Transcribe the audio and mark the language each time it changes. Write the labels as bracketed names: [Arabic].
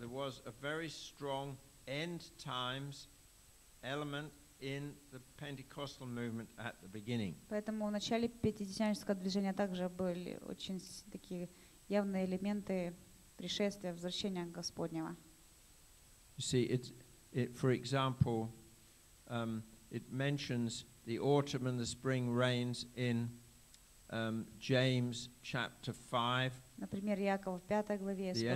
[English] There was a very strong end times element in the Pentecostal movement at the beginning. [Russian] Поэтому в начале пятидесятнического движения также были очень такие явные элементы пришествия, возвращения Господнего. [English] You see, it for example, it mentions the autumn and the spring rains in James chapter 5. [Russian] Например, Якова в пятой главе